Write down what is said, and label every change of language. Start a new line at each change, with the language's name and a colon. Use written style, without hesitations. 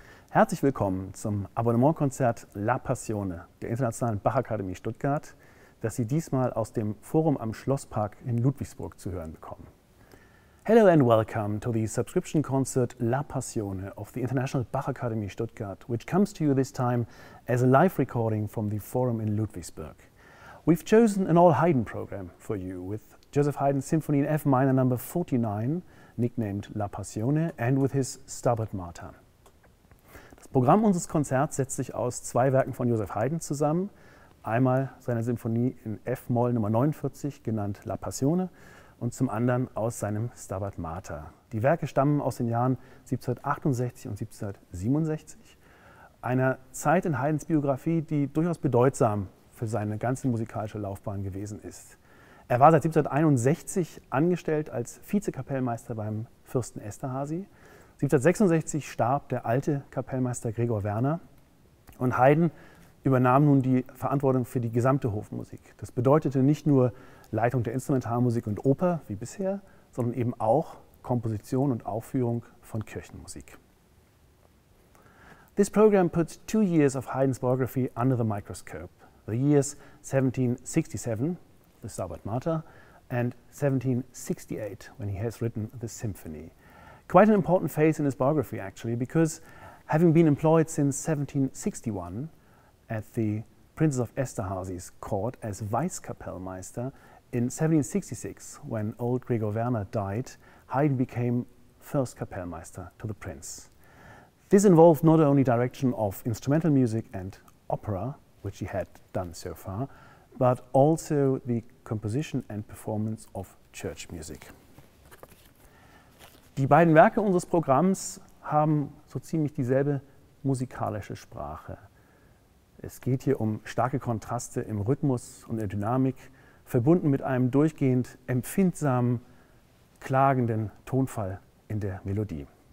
German: Herzlich willkommen zum Abonnementkonzert La Passione der Internationalen Bachakademie Stuttgart, das Sie diesmal aus dem Forum am Schlosspark in Ludwigsburg zu hören bekommen.
English: Hello and welcome to the subscription concert La Passione of the International Bachakademie Stuttgart, which comes to you this time as a live recording from the Forum in Ludwigsburg. We've chosen an all Haydn program for you with Joseph Haydn's Symphony in F minor number 49, nicknamed La Passione, and with his Stabat Mater.
German: Das Programm unseres Konzerts setzt sich aus zwei Werken von Joseph Haydn zusammen. Einmal seiner Symphonie in F-Moll Nummer 49, genannt La Passione, und zum anderen aus seinem Stabat Mater. Die Werke stammen aus den Jahren 1768 und 1767, einer Zeit in Haydns Biografie, die durchaus bedeutsam für seine ganze musikalische Laufbahn gewesen ist. Er war seit 1761 angestellt als Vizekapellmeister beim Fürsten Esterhazy. 1766 starb der alte Kapellmeister Gregor Werner und Haydn übernahm nun die Verantwortung für die gesamte Hofmusik. Das bedeutete nicht nur Leitung der Instrumentalmusik und Oper wie bisher, sondern eben auch Komposition und Aufführung von Kirchenmusik.
English: This program puts 2 years of Haydn's biography under the microscope. The years 1767, the Stabat Mater, and 1768, when he has written the symphony. Quite an important phase in his biography, actually, because having been employed since 1761 at the Princess of Esterhazy's court as Weisskapellmeister, in 1766, when old Gregor Werner died, Haydn became first Kapellmeister to the Prince. This involved not only direction of instrumental music and opera, which he had done so far, but also the composition and performance of church music.
German: Die beiden Werke unseres Programms haben so ziemlich dieselbe musikalische Sprache. Es geht hier um starke Kontraste im Rhythmus und der Dynamik, verbunden mit einem durchgehend empfindsamen, klagenden Tonfall in der Melodie.